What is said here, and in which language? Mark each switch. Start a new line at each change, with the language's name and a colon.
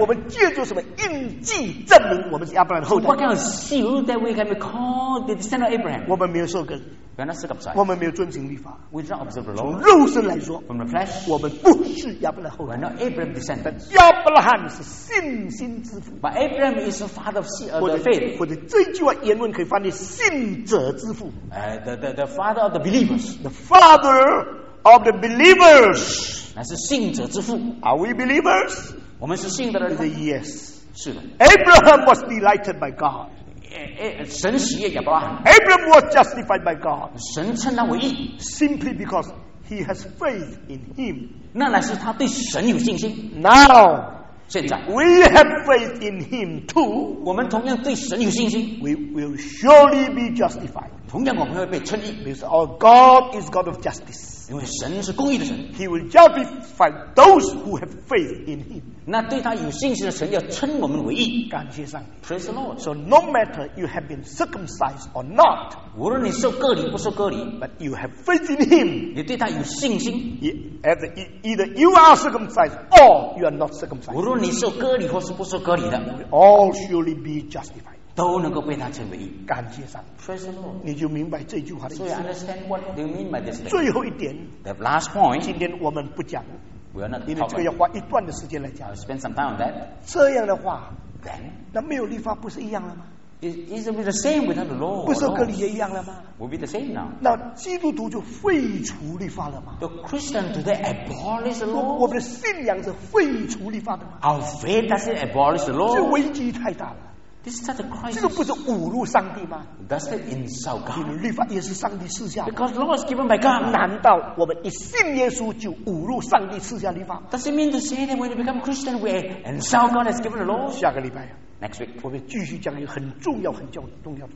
Chinese: 我们借着什么印记证明我们是亚伯兰的后代
English: what kind of seal that we can be called the descendant of Abraham
Chinese: 我们没有受割
English: We are not circumcised.
Chinese: 我们没有遵行律法
English: We do not observe the law.
Chinese: 从肉身来说
English: From the flesh,
Chinese: 我们不是亚伯兰后代
English: We are not Abraham's descendant.
Chinese: 亚伯拉罕是信心之父
English: But Abraham is the father of the faith.
Chinese: 或者这句话原文可以翻译信者之父
English: The father of the believers. The father of the believers.
Chinese: 那是信者之父
English: Are we believers?
Chinese: 我们是信的人
English: He said yes.
Chinese: 是的
English: Abraham was delighted by God.
Chinese: 神喜悦亚伯拉罕
English: Abraham was justified by God
Chinese: 神称他为义
English: Simply because he has faith in him
Chinese: 那乃是他对神有信心
English: Now
Chinese: 现在
English: We have faith in him too
Chinese: 我们同样对神有信心
English: We will surely be justified
Chinese: 同样我们会被称义
English: Because our God is God of justice
Chinese: 因为神是公义的神
English: He will justify those who have faith in him
Chinese: 那对他有信心的神要称我们为义感谢上帝
English: Praise the Lord So no matter you have been circumcised or not
Chinese: 无论你受割礼不受割礼
English: But you have faith in him
Chinese: 你对他有信心
English: Either you are circumcised or you are not circumcised
Chinese: 无论你受割礼或是不受割礼的
English: All surely be justified
Chinese: 都能够被他称为义感谢上帝
English: Praise the Lord
Chinese: 你就明白这句话的意思
English: So you understand what do you mean by this thing
Chinese: 最后一点
English: The last point
Chinese: 今天我们不讲
English: We are not
Chinese: 因为这个要花一段的时间来讲
English: I'll spend some time on that.
Chinese: 这样的话
English: Then,
Chinese: 那没有律法不是一样了吗
English: Isn't it the same without the law
Chinese: 不受隔离也一样了吗
English: Will be the same now
Chinese: 那基督徒就废除律法了吗
English: The Christian do they abolish the law
Chinese: 我们的信仰是废除律法的吗
English: Our faith doesn't abolish the law
Chinese: 这危机太大了
English: This is such a crisis
Chinese: 这个不是侮辱上帝吗
English: Does that insult God
Chinese: 因为律法也是上帝赐下的
English: Because law is given by God
Chinese: 难道我们一信耶稣就侮辱上帝赐下律法
English: Does it mean to say that when you become Christian we insult God has given the law
Chinese: 下个礼拜
English: Next week
Chinese: 我们继续讲一个很重要很重要的